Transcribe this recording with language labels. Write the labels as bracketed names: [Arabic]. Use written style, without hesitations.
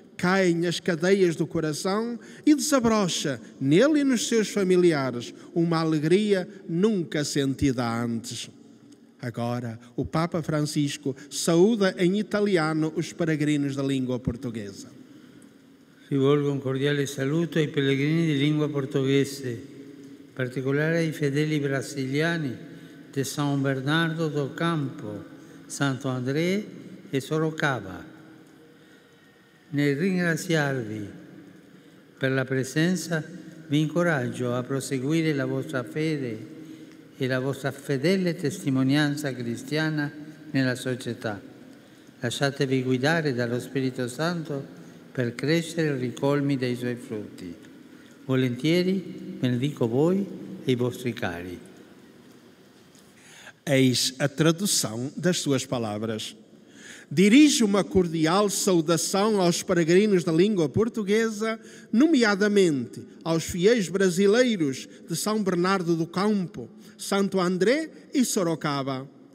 [Portuguese] Caem as cadeias do coração e desabrocha, nele e nos seus familiares, uma alegria nunca sentida antes. Agora, o Papa Francisco saúda em italiano os peregrinos da língua portuguesa. [Italian] Rivolgo un cordiale saluto ai pellegrini di lingua portoghese, in particolare ai fedeli brasiliani di San Bernardo do Campo, Santo André e Sorocaba. Nel ringraziarvi per la presenza, vi incoraggio a proseguire la vostra fede e la vostra fedele testimonianza cristiana nella società. Lasciatevi guidare dallo Spirito Santo per crescere ricolmi dei suoi frutti. Volentieri benedico voi e i vostri cari. [Portuguese] Eis a tradução das suas palavras. Dirijo uma cordial saudação aos peregrinos da língua portuguesa, nomeadamente aos fiéis brasileiros de São Bernardo do Campo, Santo André e Sorocaba.